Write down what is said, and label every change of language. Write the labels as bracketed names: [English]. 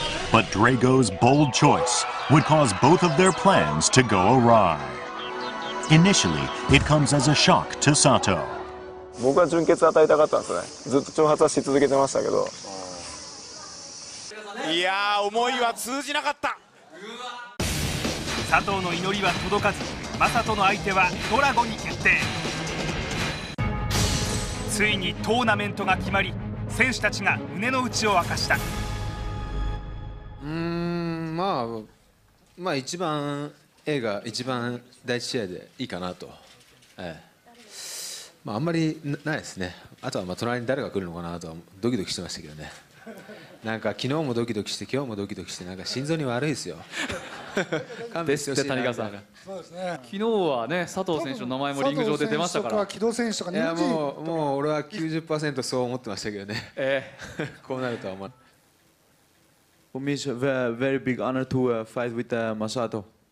[English] But Drago's bold choice would cause both of their plans to go awry. Initially, it comes as a shock to Sato. [Japanese] 僕は準決を与えたかったんですね。ずっと挑発はし続けてましたけど、いやー、思いは通じなかった。佐藤の祈りは届かず、マサトの相手はドラゴに決定。ついにトーナメントが決まり、選手たちが胸の内を明かした。まあ一番 A が一番第一試合でいいかなと、まああんまり ないですね。あとはまあ隣に誰が来るのかなとはドキドキしてましたけどね。なんか昨日もドキドキして、今日もドキドキして、なんか心臓に悪いですよ。ですって谷川さん。そうですね、昨日はね、佐藤選手の名前もリング上で出ましたから。佐藤選手とか木戸選手とか、いや、もう俺は 90% そう思ってましたけどね。こうなるとは思わない。 [English] For me, it's a very big honor to fight with Masato.